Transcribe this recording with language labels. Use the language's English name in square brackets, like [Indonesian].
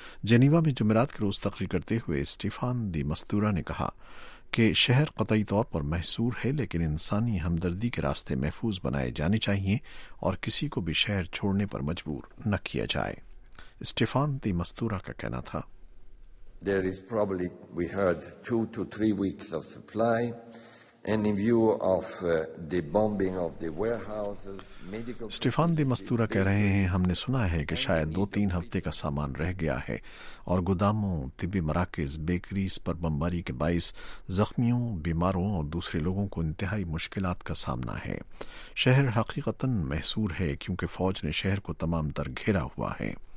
[Urdu] Geneva میں جمعرات کے روز تقریر کرتے ہوئے اسٹیفان دی مستورا نے کہا کہ شہر قطعی طور پر محصور ہے لیکن انسانی ہمدردی کے راستے محفوظ بنائے جانے چاہیے اور کسی کو بھی شہر چھوڑنے پر مجبور نہ کیا جائے. اسٹیفان دی مستورا کا کہنا تھا [English] There is probably, we heard, 2 to 3 weeks of supply. And in view of the bombing of the warehouses, medical... [Urdu] اسٹیفان دی مستورا کہہ رہے ہیں ہم نے سنا ہے کہ شاید 2-3 ہفتے کا سامان رہ گیا ہے اور گوداموں، طبی مراکز، بیکریز پر بمباری کے باعث زخمیوں، بیماروں اور دوسرے لوگوں کو انتہائی مشکلات کا سامنا ہے. شہر حقیقتاً محصور ہے کیونکہ فوج نے شہر کو تمام تر گھیرا ہوا ہے.